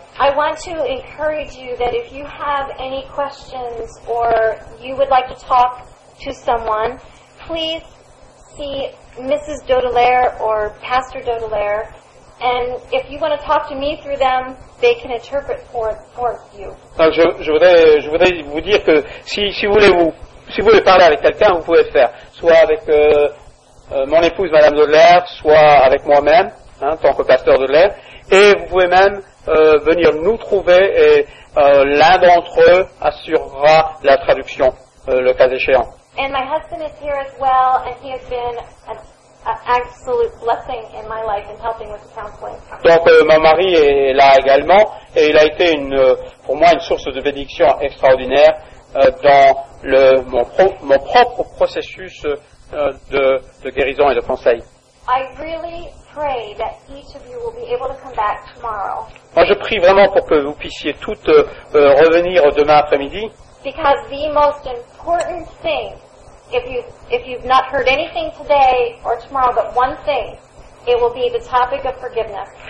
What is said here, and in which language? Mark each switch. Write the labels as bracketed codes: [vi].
[en] I want to encourage you that if you have any questions or you would like to talk to someone, please see Mrs. Dodelaire or Pastor Dodelaire. And if you want to talk to me through them, they can interpret for you. [fr] Donc je voudrais vous dire que si vous voulez parler avec quelqu'un, vous pouvez le faire soit avec mon épouse Madame Dodelaire, soit avec moi-même, hein, tant que pasteur Dodelaire, et vous pouvez même venir nous trouver et l'un d'entre eux assurera la traduction le cas échéant. [en] And my husband is here as well, and he has been an absolute blessing in my life in helping with counseling. [fr] Donc mon mari est là également et il a été une pour moi une source de bénédiction extraordinaire dans mon propre processus de guérison et de conseil. [en] I really pray that each of you will be able to come back tomorrow. [fr] Moi je prie vraiment pour que vous puissiez toutes revenir demain après-midi. [en] Because the most important thing, if you've not heard anything today or tomorrow, but one thing, it will be the topic of forgiveness.